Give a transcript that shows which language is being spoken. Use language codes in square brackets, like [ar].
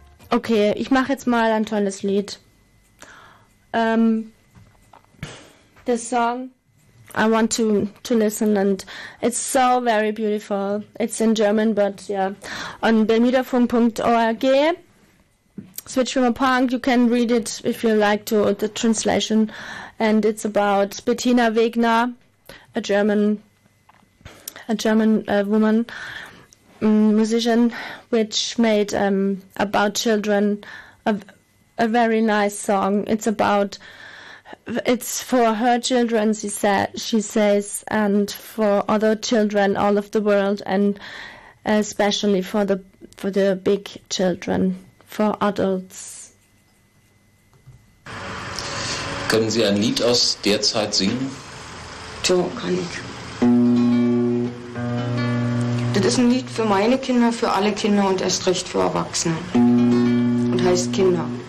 [de] Okay, ich mache jetzt mal ein tolles Lied. [en] The song I want to listen, and it's so very beautiful. It's in German, but yeah. On bermudafunk.org, switch from a punk, you can read it if you like to, the translation. And it's about Bettina Wegner, a German woman, musician, which made about children a very nice song. It's for her children, she says, and for other children all of the world, and especially for the big children, for adults. [de] Können Sie ein Lied aus der Zeit singen? Jo, kann ich. Das ist ein Lied für meine Kinder, für alle Kinder und erst recht für Erwachsene. Und heißt Kinder.